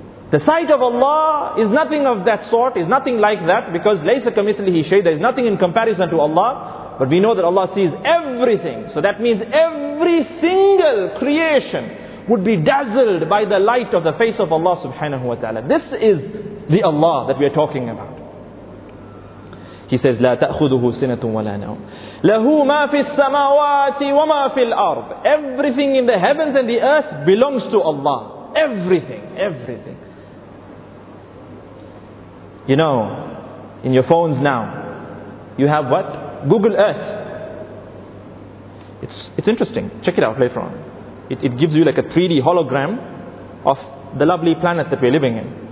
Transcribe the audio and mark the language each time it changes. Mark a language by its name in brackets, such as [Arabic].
[English] The sight of Allah is nothing of that sort, is nothing like that, because laysa kamithlihi shay, there is nothing in comparison to Allah. But we know that Allah sees everything. So that means every single creation would be dazzled by the light of the face of Allah subhanahu wa ta'ala. This is the Allah that we are talking about. He says, [Arabic] لا تأخذه سنة ولا نوم. له ما في السماوات وما في الأرض. [English] Everything in the heavens and the earth belongs to Allah. Everything. You know, in your phones now, you have what? Google Earth. It's interesting. Check it out later on. It gives you like a 3D hologram of the lovely planet that we're living in.